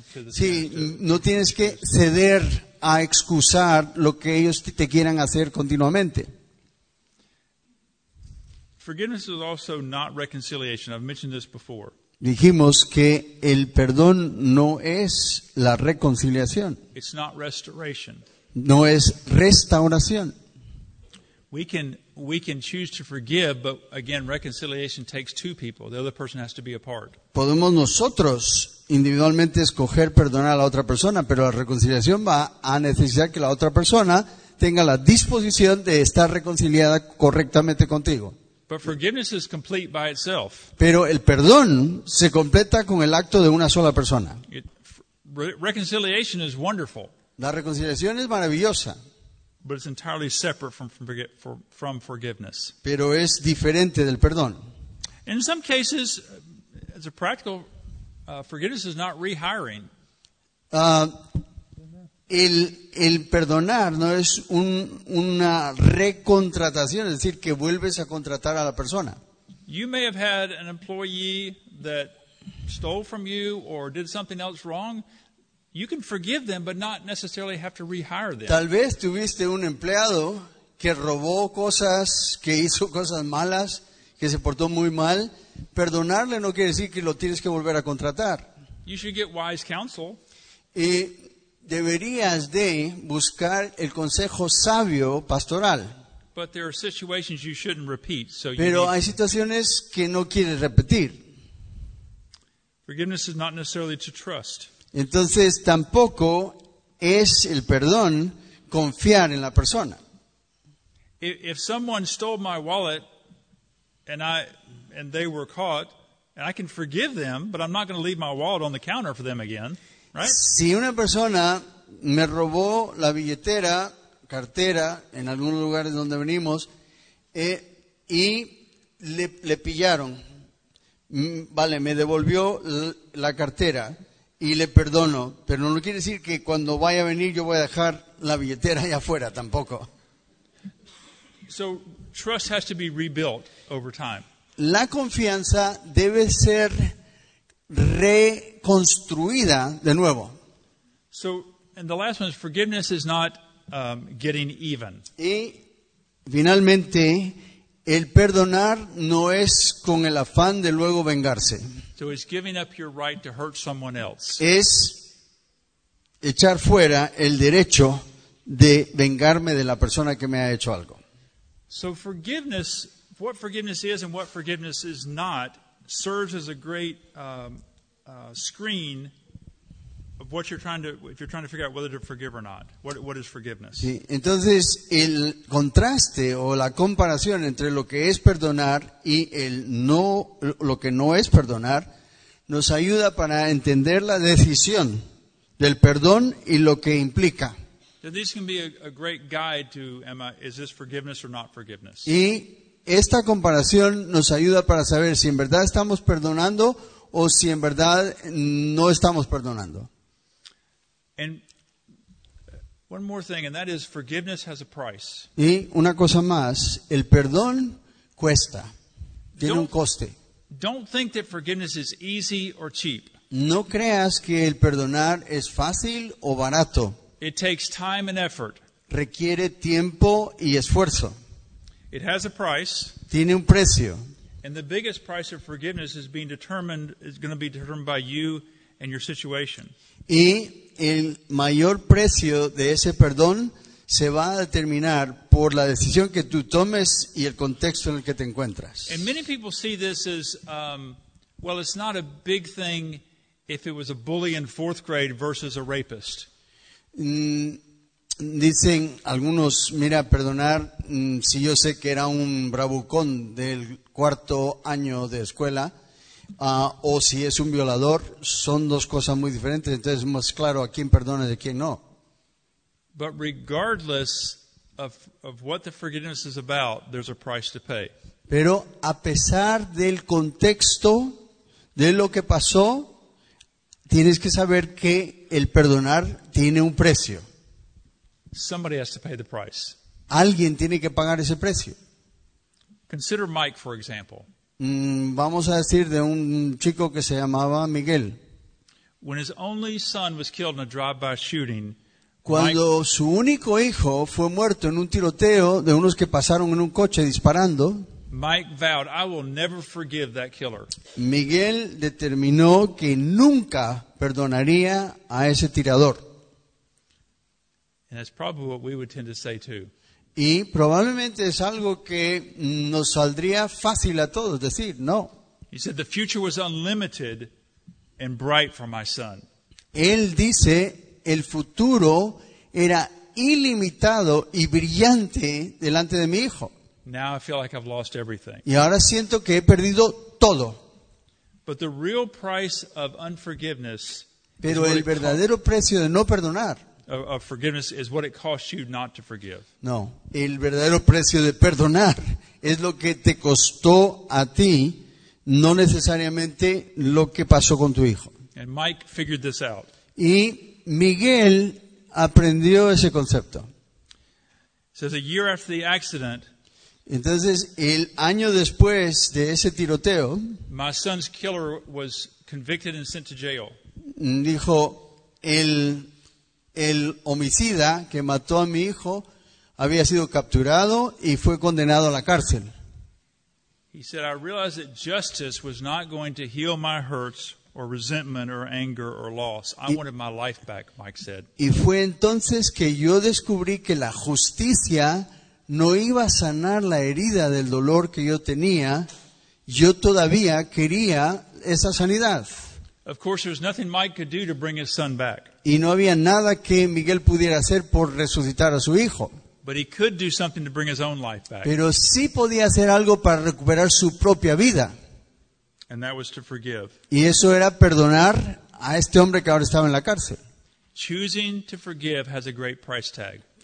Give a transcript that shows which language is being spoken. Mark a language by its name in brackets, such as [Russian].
[Spanish] Sí, no tienes que ceder a excusar lo que ellos te quieran hacer continuamente. [English] Forgiveness is also not reconciliation. I've mentioned this before. [Spanish] Dijimos que el perdón no es la reconciliación. [English] It's not restoration. [Spanish] No es restauración. [English] We can choose to forgive, but again, reconciliation takes two people. The other person has to be a part. [Spanish] Podemos nosotros individualmente escoger perdonar a la otra persona, pero la reconciliación va a necesitar que la otra persona tenga la disposición de estar reconciliada correctamente contigo. [English] But forgiveness is complete by itself. [Spanish] Pero el perdón se completa con el acto de una sola persona. [English] Reconciliation is wonderful. [Spanish] La reconciliación es maravillosa. [English] But it's entirely separate from forgiveness. [Spanish] Pero es diferente del perdón. [English] In some cases, as a practical, forgiveness is not rehiring. [Spanish] El perdonar no es una recontratación, es decir, que vuelves a contratar a la persona. [English] You may have had an employee that stole from you or did something else wrong. You can forgive them, but not necessarily have to rehire them. [Spanish] Tal vez tuviste un empleado que robó cosas, que hizo cosas malas, que se portó muy mal. Perdonarle no quiere decir que lo tienes que volver a contratar. [English] You should get wise counsel. [Spanish] Y deberías de buscar el consejo sabio pastoral. [English] But there are situations you shouldn't repeat, so you [Spanish] Pero hay situaciones que no quieres repetir. [English] Forgiveness is not necessarily to trust. [Spanish] Entonces, tampoco es el perdón confiar en la persona. [English] If someone stole my wallet and they were caught, and I can forgive them, but I'm not going to leave my wallet on the counter for them again, right? [Spanish] Si una persona me robó la billetera, cartera, en algunos lugares donde venimos, y le pillaron, vale, me devolvió la cartera, y le perdono, pero no quiere decir que cuando vaya a venir yo voy a dejar la billetera allá afuera tampoco. [English] So, trust has to be rebuilt over time. [Spanish] La confianza debe ser reconstruida de nuevo. [English] So, and the last one is forgiveness is not getting even. [Spanish] Y finalmente, el perdonar no es con el afán de luego vengarse. [English] So it's giving up your right to hurt someone else. [Spanish] Es echar fuera el derecho de vengarme de la persona que me ha hecho algo. [English] So forgiveness, what forgiveness is and what forgiveness is not, serves as a great screen of what you're trying to, if you're trying to figure out whether to forgive or not. What is forgiveness? [Spanish] Sí. Entonces, el contraste o la comparación entre lo que es perdonar y el no, lo que no es perdonar, nos ayuda para entender la decisión del perdón y lo que implica. [English] So this can be a great guide to, Emma, is this forgiveness or not forgiveness? [Spanish] Y esta comparación nos ayuda para saber si en verdad estamos perdonando o si en verdad no estamos perdonando. [English] And one more thing, and that is forgiveness has a price. [Spanish] Y una cosa más, el perdón cuesta, tiene un coste. [English] Don't think that forgiveness is easy or cheap. [Spanish] No creas que el perdonar es fácil o barato. [English] It takes time and effort. [Spanish] Requiere tiempo y esfuerzo. [English] It has a price. [Spanish] Tiene un precio. [English] And the biggest price of forgiveness is being determined, is going to be determined by you and your situation. [Spanish] Y el mayor precio de ese perdón se va a determinar por la decisión que tú tomes y el contexto en el que te encuentras. [English] And many people see this as, well, it's not a big thing if it was a bully in fourth grade versus a rapist. [Spanish] Dicen algunos, mira, perdonar, si yo sé que era un bravucón del cuarto año de escuela, o si es un violador, son dos cosas muy diferentes. Entonces es más claro a quién perdona y a quién no. [English] But regardless of what the forgiveness is about, there's a price to pay. [Spanish] Pero a pesar del contexto de lo que pasó, tienes que saber que el perdonar tiene un precio. [English] Somebody has to pay the price. [Spanish] Alguien tiene que pagar ese precio. [English] Consider Mike, for example. [Spanish] Vamos a decir de un chico que se llamaba Miguel. [English] When his only son was killed in a drive-by shooting, [Spanish] cuando Mike, su único hijo fue muerto en un tiroteo de unos que pasaron en un coche disparando, [English] Mike vowed, "I will never forgive that killer." [Spanish] Miguel determinó que nunca perdonaría a ese tirador. [English] And that's probably what we would tend to say too. [Spanish] Y probablemente es algo que nos saldría fácil a todos decir, no. [English] He said the future was unlimited and bright for my son. [Spanish] Él dice, el futuro era ilimitado y brillante delante de mi hijo. [English] Now I feel like I've lost everything. [Spanish] Y ahora siento que he perdido todo. [English] But the real price of unforgiveness. [Spanish] Pero el verdadero precio de no perdonar. [English] Of forgiveness is what it costs you not to forgive. [Spanish] No, el verdadero precio de perdonar es lo que te costó a ti, no necesariamente lo que pasó con tu hijo. [English] And Mike figured this out. [Spanish] Y Miguel aprendió ese concepto. [English] So a year after the accident. [Spanish] Entonces, el año después de ese tiroteo, [English] my son's killer was convicted and sent to jail. [Spanish] Dijo, el homicida que mató a mi hijo había sido capturado y fue condenado a la cárcel. [English] He said, I realized that justice was not going to heal my hurts or resentment or anger or loss. I wanted my life back, Mike said. [Spanish] Y fue entonces que yo descubrí que la justicia no iba a sanar la herida del dolor que yo tenía. Yo todavía quería esa sanidad. [English] Of course, there was nothing Mike could do to bring his son back. [Spanish] Y no había nada que Miguel pudiera hacer por resucitar a su hijo. [English] But he could do something to bring his own life back. [Spanish] Pero sí podía hacer algo para recuperar su propia vida. [English] And that was to forgive. [Spanish] Y eso era perdonar a este hombre que ahora estaba en la cárcel. [English] Choosing to forgive has a great price tag.